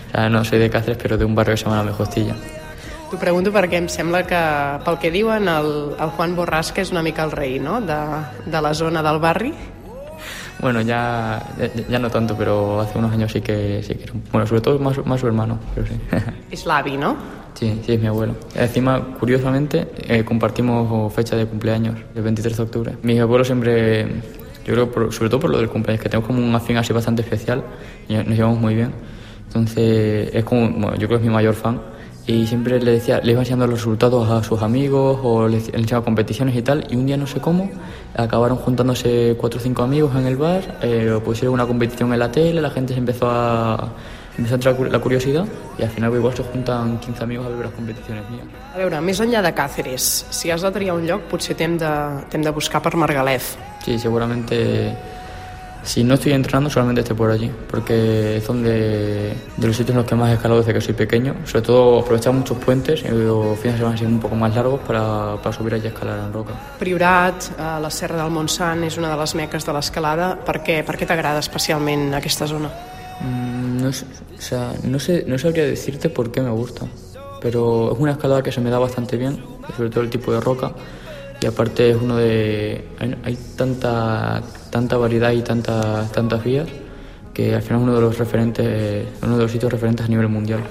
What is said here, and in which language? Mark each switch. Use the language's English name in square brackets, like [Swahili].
[Spanish] No, soy de Cáceres, pero de un barrio que se llama La Mejostilla. [Catalan] T'ho pregunto perquè em sembla que, pel que diuen, el Juan Borrasca és una mica el rei, no?, de la zona del barri. [Spanish] Bueno, ya no tanto, pero hace unos años sí que era. Bueno, sobre todo más su hermano, pero sí. Es Lavi, ¿no? Sí, es mi abuelo. Encima, curiosamente, compartimos fecha de cumpleaños, el 23 de octubre. Mi abuelo siempre, yo creo, sobre todo por lo del cumpleaños, que tenemos como un afín así bastante especial, y nos llevamos muy bien. Entonces, es como, bueno, yo creo que es mi mayor fan. Y siempre le iba enseñando los resultados a sus amigos o le enseñaba competiciones y tal. Y un día, no sé cómo, acabaron juntándose cuatro o cinco amigos en el bar, pusieron una competición en la tele, la gente empezó a entrar la curiosidad y al final igual se juntan 15 amigos [Catalan] a veure [Spanish] las competiciones mías. [Catalan] A veure, més enllà de Cáceres, si has de triar un lloc, potser t'hem de buscar per Margalef. [Spanish] Sí, seguramente Si no estoy entrenando, solamente estoy por allí, porque es donde de los sitios en los que más he escalado desde que soy pequeño. Sobre todo aprovechar muchos puentes y los fines de semana siendo un poco más largos para subir allí a escalar en roca. [Catalan] Priorat, la Serra del Montsant, és una de les meques de l'escalada. Per què t'agrada especialment aquesta zona? [Spanish] No sabría decirte por qué me gusta, pero es una escalada que se me da bastante bien, sobre todo el tipo de roca, y aparte es uno de... hay tanta variedad y tantas vías que al final es uno de los sitios referentes a nivel mundial.